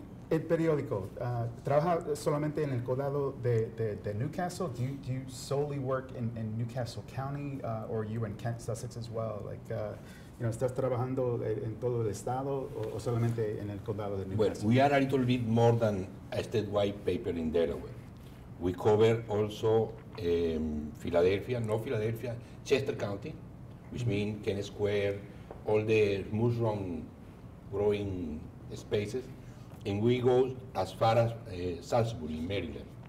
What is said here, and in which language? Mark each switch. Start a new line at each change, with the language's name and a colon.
Spanish: El periódico, ¿trabaja solamente en el condado de Newcastle?
English: Do you solely work in Newcastle County or you in Kent, Sussex as well?
Spanish: ¿Estás trabajando en todo el estado o solamente en el condado de Newcastle?
English: Well, we are a little bit more than a statewide paper in Delaware. We cover also Philadelphia, no Philadelphia, Chester County, which means Kent Square, all the mushroom growing spaces. And we go as far as Salisbury, Maryland.